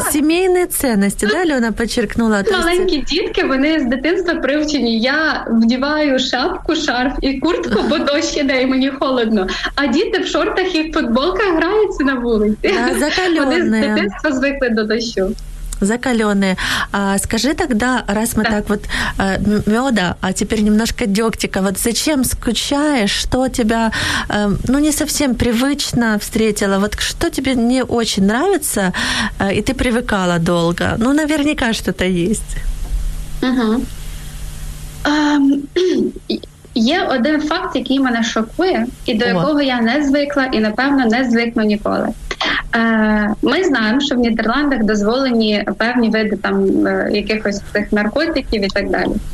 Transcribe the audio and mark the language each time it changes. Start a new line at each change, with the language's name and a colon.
Ukrainian: Сімейні цінності, да, Льона підчеркнула? Маленькі дітки, вони з дитинства привчені. Я вдіваю шапку, шарф і куртку, бо дощ іде, і мені холодно. А діти в шортах і в футболках граються на вулиці. Закальоне. Вони з дитинства звикли до дощу.
Russian: закаленные. А скажи тогда, раз мы так вот меда, а теперь немножко дегтика, вот зачем скучаешь, что тебя, ну, не совсем привычно встретила, вот что тебе не очень нравится, и ты привыкала долго? Ну, наверняка что-то есть. Угу.
Ukrainian: Є один факт, який мене шокує, і до якого я не звикла, і, напевно, не звикну ніколи. Ми знаємо, що в Нідерландах дозволені певні види там якихось цих наркотиків і так далі.